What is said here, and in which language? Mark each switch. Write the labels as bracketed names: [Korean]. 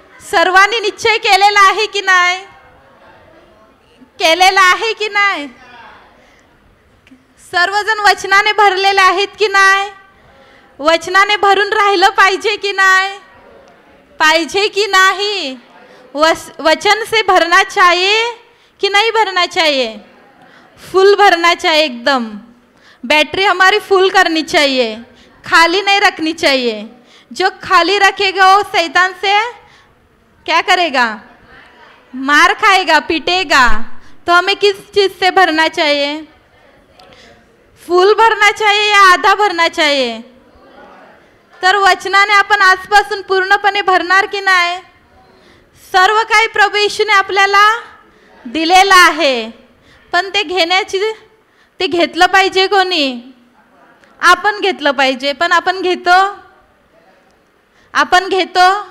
[Marathi] सर्वांनी निश्चय केलेला आहे की नाही? केलेला आहे की नाही? सर्वजण वचनाने भरलेले आहेत की नाही? वचनाने भरून राहिलं पाहिजे की नाही? पाहिजे की नाही? [Hindi] वचन से भरना चाहिए की नाही भरना चाहिए? फुल भरना चाहिए एकदम। बैटरी हमारी फुल करनी चाहिए, खाली नहीं रखनी चाहिए। जो खाली रखेगा वो शैतान से क्या करेगा? मार खाएगा, पीटेगा। तो हमें किस चीज़ से भरना चाहिए? फुल भरना चाहिए या आधा भरना चाहिए? [Marathi] तर वचनाने आपण आजपासून पूर्णपणे भरणार की नाही? सर्व काही प्रभू येशूने आपल्याला दिलेलं आहे, पण ते घेण्याची ते घेतलं पाहिजे कोणी? आपण घेतलं पाहिजे। पण आपण घेतो? आपण घेतो?